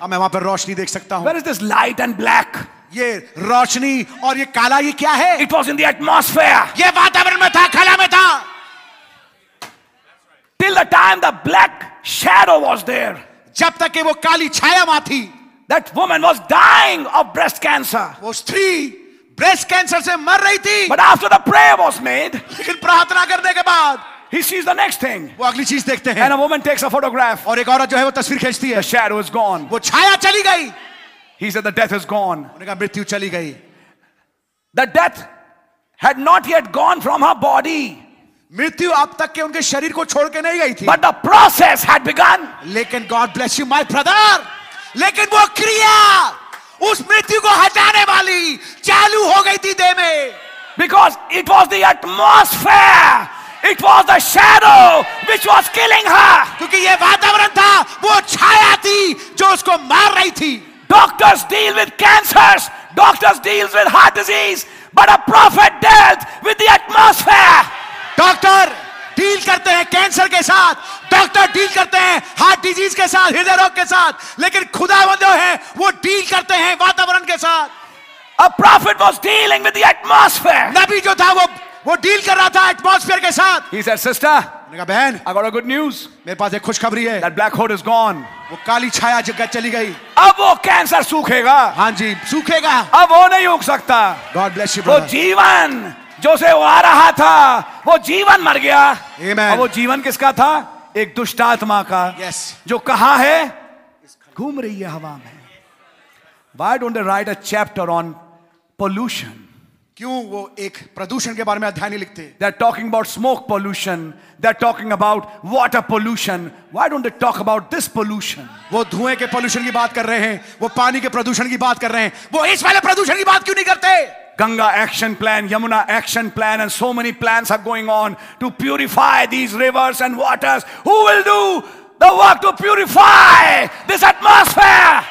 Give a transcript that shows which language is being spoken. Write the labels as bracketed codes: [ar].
[hi] अब मैं वहां पर रोशनी देख सकता हूं. [en] Where is this light and black. [hi] ये रोशनी और ये काला ये क्या है. [en] It was in the atmosphere. [hi] ये वातावरण में था खला में था. [en] Till the time the black shadow was there. [hi] जब तक वो काली छाया वहां थी. [en] That woman was dying of breast cancer. [hi] वो स्त्री breast cancer से मर रही थी. [en] But after the prayer was made, [hi] लेकिन प्रार्थना करने के बाद, [en] he sees the next thing. [hi] वो अगली चीज़ देखते हैं. [en] And a woman takes a photograph. [hi] और एक औरत जो है वो तस्वीर खींचती है. [en] The shadow is gone. [hi] वो छाया चली गई. [en] He said the death is gone. [hi] उन्होंने कहा मृत्यु चली गई. [en] The death had not yet gone from her body. [hi] मृत्यु अब तक के उनके शरीर को छोड़ के नहीं गई थी. [en] But the process had begun. लेकिन God bless you, my brother. [hi] लेकिन वो क्रिया उस मृत्यु को हटाने वाली चालू हो गई थी देह में. [en] Because it was the atmosphere. It was the shadow which was killing her. [hi] क्योंकि ये वातावरण था वो छाया थी जो उसको मार रही थी. [en] Doctors deal with cancers. Doctors deal with heart disease. But a prophet deals with the atmosphere. [hi] Doctor deal करते हैं कैंसर के साथ. डॉक्टर डील करते हैं हार्ट डिजीज के साथ हृदय रोग के साथ. लेकिन खुदा जो है वो डील करते हैं वातावरण के साथ. [en] A prophet was dealing with the atmosphere. [hi] नबी जो था वो डील कर रहा था एटमॉस्फेयर के साथ. [en] He said, sister, [hi] कहा बहन, [en] I got a good news. [hi] मेरे पास एक खुशखबरी है. [en] That black hood is gone. [hi] वो काली छाया जगह चली गई. अब वो कैंसर सूखेगा. हाँ जी सूखेगा. अब वो नहीं उग सकता. [en] God bless you, brother. [hi] वो जीवन जो से वो आ रहा था वो जीवन मर गया. [en] Amen. [hi] और वो जीवन किसका था. एक दुष्ट आत्मा का. [en] Yes. [hi] जो कहा है घूम रही है हवा में. [en] Why don't they write a chapter on pollution? [hi] क्यों वो एक प्रदूषण के बारे में अध्याय नहीं लिखते. [en] They're talking about smoke pollution. They're talking about water pollution. Why don't they talk about this pollution? [hi] वो धुएं के पॉल्यूशन की बात कर रहे हैं. वो पानी के प्रदूषण की बात कर रहे हैं. वो इस वाले प्रदूषण की बात क्यों नहीं करते. [en] Ganga action plan Yamuna action plan and so many plans are going on to purify these rivers and waters. Who will do the work to purify this atmosphere.